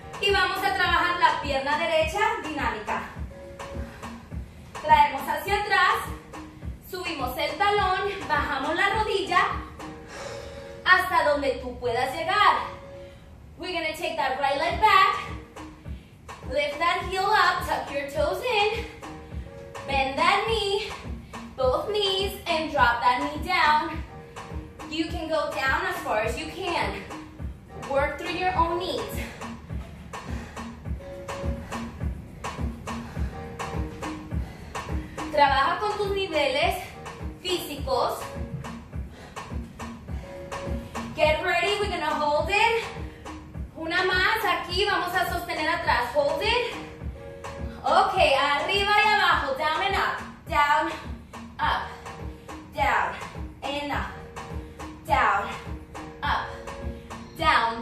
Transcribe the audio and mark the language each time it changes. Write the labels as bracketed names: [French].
[Spanish] Y vamos a trabajar la pierna derecha dinámica. Traemos hacia atrás, subimos el talón, bajamos la rodilla hasta donde tú puedas llegar. [English] We're gonna take that right leg back, lift that heel up, tuck your toes in. Bend that knee, both knees, and drop that knee down. You can go down as far as you can. Work through your own knees. [Spanish] Trabaja con tus niveles físicos. [English] Get ready, we're gonna hold it. [Spanish] Una más, aquí vamos a sostener atrás, [English] hold it. Okay, [Spanish] arriba y abajo, [English] down and up, down, up, down, and up, down, up, down.